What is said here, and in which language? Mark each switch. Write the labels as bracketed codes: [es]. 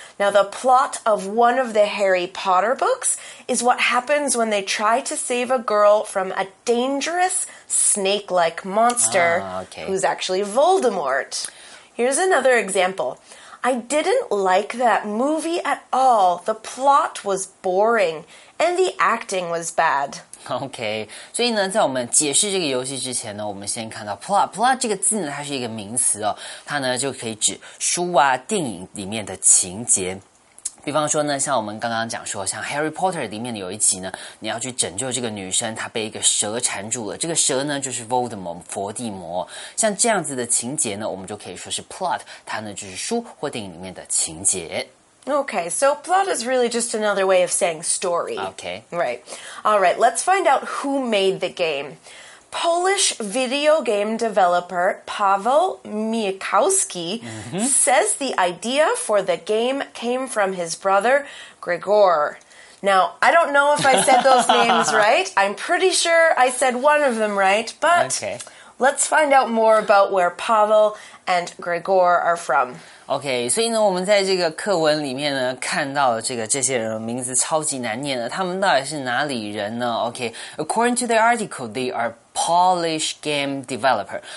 [en] Now, the plot of one of the Harry Potter books is what happens when they try to save a girl from a dangerous... snake-like monster, okay. who's actually Voldemort. Here's another example. I didn't like that movie at all. The plot was boring, and the acting was bad. [zh] OK, 所以呢在我们解释这个游戏之前呢我们先看到 plot 这个字呢它是一个名词哦它呢就可以指书啊电影里面的情节。比方说呢像我们刚刚讲说像 Harry Potter 里面有一集呢你要去拯救这个女生她被一个蛇缠住了这个蛇呢就是 Voldemort, 佛地魔。像这样子的情节呢我们就可以说是 plot, 它呢就是书或电影里面的情节。 [en] Okay, so plot is really just another way of saying story. Okay. Right. All right, let's find out who made the game. Polish video game developer Paweł Miechowski says the idea for the game came from his brother, Gregor. Now, I don't know if I said those names right. I'm pretty sure I said one of them right, but let's find out more about where Paweł and Gregor are from. [zh] Okay, 所以呢，我们在这个课文里面呢，看到了这些人的名字超级难念的，他们到底是哪里人呢？ [en] Okay, according to the article, they are Polish game developer.